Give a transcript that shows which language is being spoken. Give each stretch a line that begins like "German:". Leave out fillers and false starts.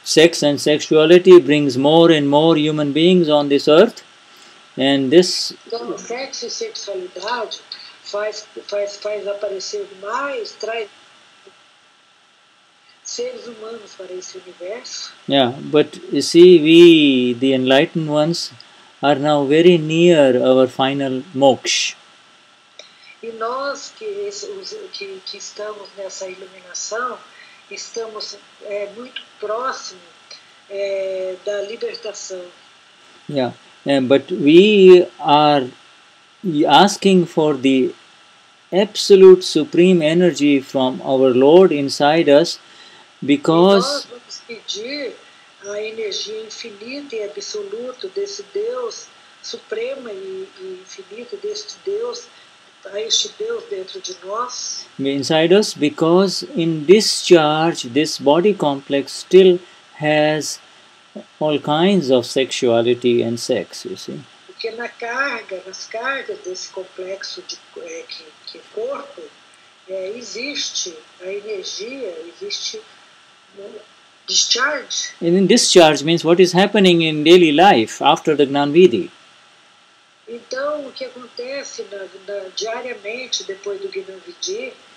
English: Sex and sexuality brings more and more human beings on this earth. And this...
Portuguese: Então, sexo e sexualidade faz aparecer mais, traz seres humanos para esse universo.
English: Yeah, but you see, we, the enlightened ones, are now very near our final moksha.
Portuguese: E nós que estamos nessa iluminação, estamos muito próximo da libertação.
English: Yeah. But we are asking for the absolute supreme energy from our Lord inside us because...
Portuguese: E nós vamos pedir a energia infinita e absoluta desse Deus, suprema e infinita deste Deus, a este Deus dentro de nós.
English: Inside us because in discharge this body complex still has all kinds of sexuality and sex, you see.
Portuguese: Porque na carga, nas cargas desse complexo de que corpo, existe a energia, existe discharge.
English: And in discharge means what is happening in daily life after the Gnanvidhi.
Portuguese: Então, o que acontece diariamente depois do Gnanvidhi?